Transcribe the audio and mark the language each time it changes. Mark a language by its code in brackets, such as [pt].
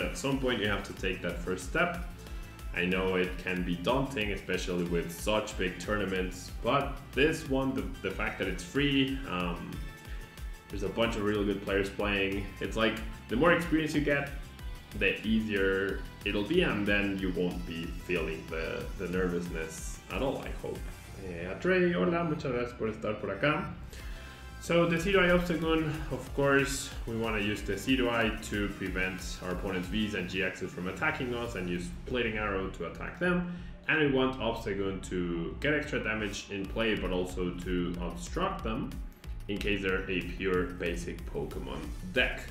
[en] At some point you have to take that first step. I know it can be daunting, especially with such big tournaments, but this one, the fact that it's free, there's a bunch of really good players playing. It's like, the more experience you get, the easier it'll be, and then you won't be feeling the nervousness at all, I hope. [es] Atre, hola, muchas gracias por estar por acá. [en] So, Decidueye Obstagoon, of course, we want to use Decidueye to prevent our opponent's Vs and GXs from attacking us and use Splitting Arrow to attack them. And we want Obstagoon to get extra damage in play, but also to obstruct them in case they're a pure basic Pokemon deck.